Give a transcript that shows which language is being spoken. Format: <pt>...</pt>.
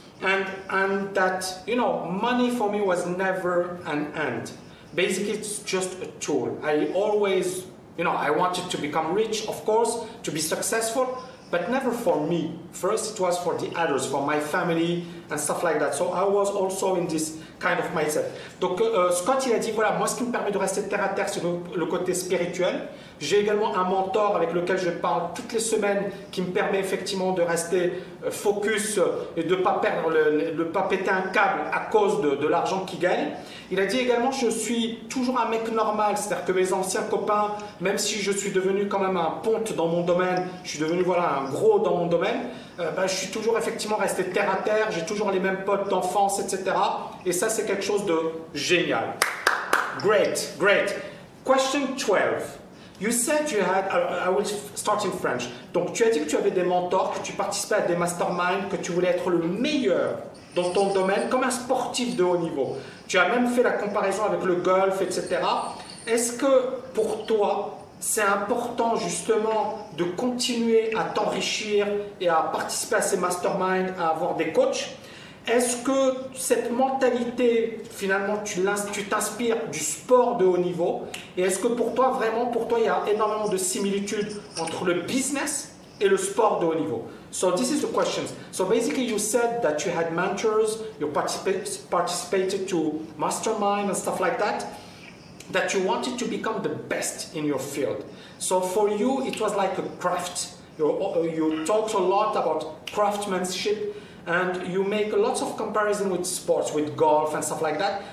<en>And that, money for me was never an end. Basically, it's just a tool. I always, I wanted to become rich, of course, to be successful. But never for me. First, it was for the others, for my family and stuff like that. So I was also in this kind of mindset.</en> <fr>Donc Scott, il a dit, voilà, moi, ce qui me permet de rester terre à terre, c'est le côté spirituel. J'ai également un mentor avec lequel je parle toutes les semaines qui me permet effectivement de rester focus et de ne pas perdre, de pas péter un câble à cause de l'argent qu'il gagne. Il a dit également, je suis toujours un mec normal, c'est-à-dire que mes anciens copains, même si je suis devenu quand même un ponte dans mon domaine, je suis devenu un gros dans mon domaine, je suis toujours effectivement resté terre à terre, j'ai toujours les mêmes potes d'enfance, etc. Et ça, c'est quelque chose de génial.</fr> <en>Great, great. Question 12. You said you had, I will start in French.</en> <fr>Donc, tu as dit que tu avais des mentors, que tu participais à des masterminds, que tu voulais être le meilleur dans ton domaine, comme un sportif de haut niveau. Tu as même fait la comparaison avec le golf, etc. Est-ce que pour toi, c'est important justement de continuer à t'enrichir et à participer à ces masterminds, à avoir des coachs? Est-ce que cette mentalité, finalement, tu t'inspires du sport de haut niveau? Et est-ce que pour toi, vraiment, pour toi, il y a énormément de similitudes entre le business et le sport de haut niveau?</fr> <en>So this is the question. So basically, you said that you had mentors, you participated to mastermind and stuff like that, that you wanted to become the best in your field. So for you, it was like a craft. You talked a lot about craftsmanship, and you make a lot of comparison with sports, with golf and stuff like that.</en>